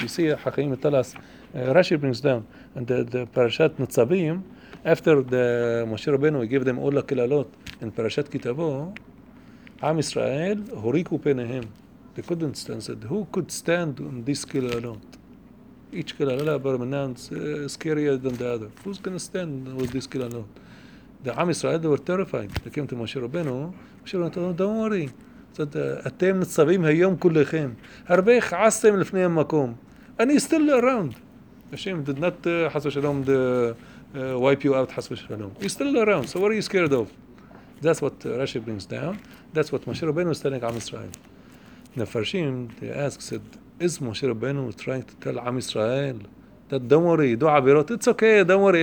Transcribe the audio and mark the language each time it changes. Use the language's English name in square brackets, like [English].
[English] You see, Hakim tell us, Rashi brings down, and the Parashat Nitzavim, after the Moshe Rabbeinu gave them all the kilalot in Parashat Kitavo, Am Yisrael, [Hebrew] horiku penehem. [English] They couldn't stand. Said, who could stand on this kilalot? Each kilalot is scarier than the other. Who's going to stand with this kilalot? The Am Yisrael, they were terrified. They came to Moshe Rabbeinu. Moshe Rabbeinu told them, don't worry. Said, [Hebrew] אתם נצבים היום כולכם. הרבה חעסתם לפני המקום. [English] אני still around. Hashem did not, חס ושלום, wipe you out, חס ושלום. He's still around. So what are you scared of? That's what Rashi brings down. That's what Moshe Rabbeinu is telling Am Yisrael. Nefarshim, they ask, said, is Moshe Rabbeinu trying to tell Am Yisrael that don't worry, do Avirot? It's okay, don't worry.